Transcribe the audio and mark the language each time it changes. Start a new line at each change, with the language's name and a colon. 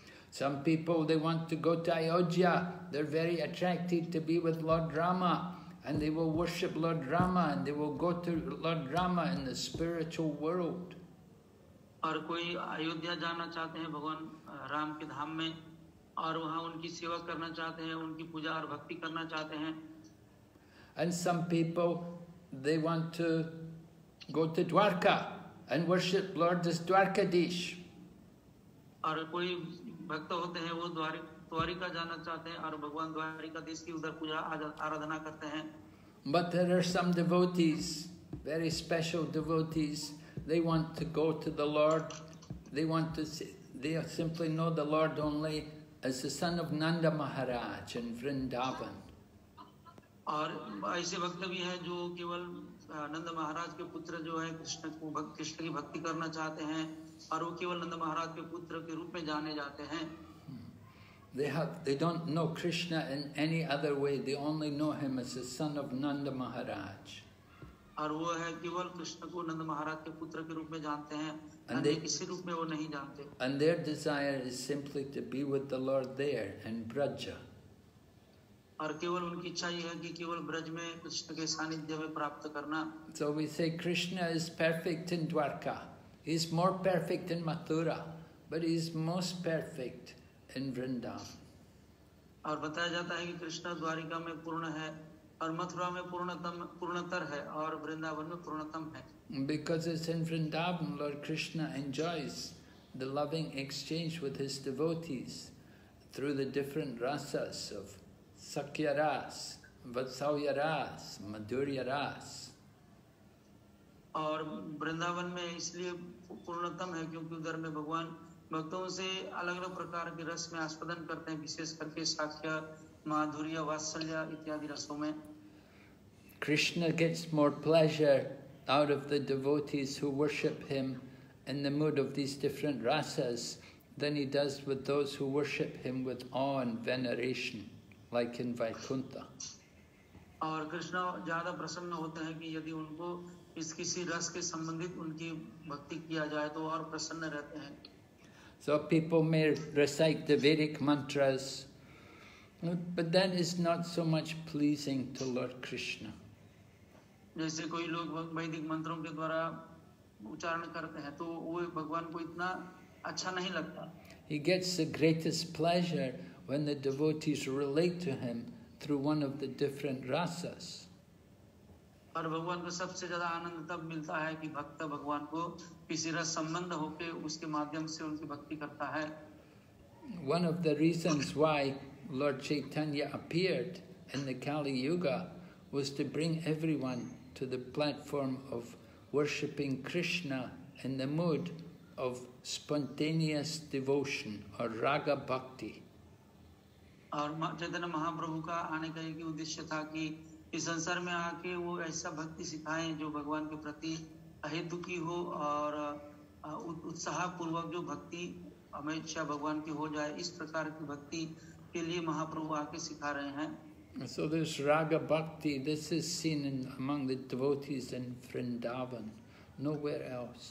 English: Some people, they want to go to Ayodhya. They're very attracted to be with Lord Rama. And they will worship Lord Rama and they will go to Lord Rama in the spiritual world.
Hindi: और कोई अयोध्या जाना चाहते हैं भगवान राम के धाम में और वहां उनकी सेवा करना चाहते हैं उनकी पूजा और भक्ति करना चाहते हैं.
English: And some people, they want to go to Dwarka and worship Lord as Dwarkadish.
Hindi: और कोई भक्त होते हैं वो द्वारिका जाना चाहते हैं और भगवान द्वारिकाधीश की उधर पूजा आराधना करते हैं.
English: But there are some devotees, very special devotees. They want to go to the Lord. They want to see, they simply know the Lord only as the son of Nanda Maharaj in Vrindavan.
Hindi: और ऐसे भक्त भी हैं जो केवल नंद महाराज के पुत्र जो है कृष्ण को कृष्ण की भक्ति करना चाहते हैं और वो केवल नंद महाराज के पुत्र के रूप में जाने जाते हैं.
English: They don't know Krishna in any other way. They only know him as the son of Nanda Maharaj.
Hindi: और वो है केवल कृष्ण को नंद महाराज के पुत्र के रूप में जानते हैं और किसी रूप में वो नहीं जानते.
English: And their desire is simply to be with the Lord there in Braj.
Hindi: और केवल उनकी इच्छा ये है कि केवल ब्रज में कृष्ण के सानिध्य में प्राप्त करना.
English: So we say Krishna is perfect in Dwarka. He is more perfect in Mathura, but he is most perfect in Vrindavan.
Hindi: और बताया जाता है कि कृष्ण द्वारिका में पूर्ण है और मथुरा में पूर्णतर है और वृंदावन में पूर्णतम है.
English: Because it's in Vrindavan, Lord Krishna enjoys the loving exchange with his devotees through the different rasas of Sakya ras, Vatsalya ras, Madhurya ras.
Hindi: और वृंदावन में इसलिए पूर्णतम है क्योंकि उधर में भगवान भक्तों से अलग अलग प्रकार के रस में आस्वादन करते हैं विशेष करके साक्य माधुर्य वात्सल्य इत्यादि रसों में.
English: Krishna gets more pleasure out of the devotees who worship him in the mood of these different rasas than he does with those who worship him with awe and veneration, like in Vaikuntha.
Hindi: और कृष्ण ज्यादा प्रसन्न होते हैं कि यदि उनको इस किसी रस के संबंधित उनकी भक्ति किया जाए तो और प्रसन्न रहते हैं.
English: So people may recite the Vedic mantras, but that is not so much pleasing to Lord Krishna.
Hindi: जैसे कोई लोग वैदिक मंत्रों के द्वारा उच्चारण करते हैं तो वो भगवान को इतना अच्छा नहीं लगता.
English: He gets the greatest pleasure when the devotees relate to him through one of the different rasas.
Hindi: और भगवान को सबसे ज्यादा आनंद तब मिलता है कि भक्त भगवान को किसी रस संबंध होके उसके माध्यम से उनकी भक्ति करता है.
English: One of the reasons why Lord Chaitanya appeared in the Kali Yuga was to bring everyone to the platform of worshipping Krishna in the mood of spontaneous devotion or raga bhakti.
Hindi: और चैतन्य महाप्रभु का आने का एक उद्देश्य था कि इस संसार में आके वो ऐसा भक्ति सिखाएं जो भगवान के प्रति अहेतुकी हो और उत्साह पूर्वक जो भक्ति हमेशा भगवान की हो जाए इस प्रकार की भक्ति के लिए महाप्रभु आके सिखा रहे हैं.
English: So this raga bhakti, this is seen in, among the devotees in Vrindavan, nowhere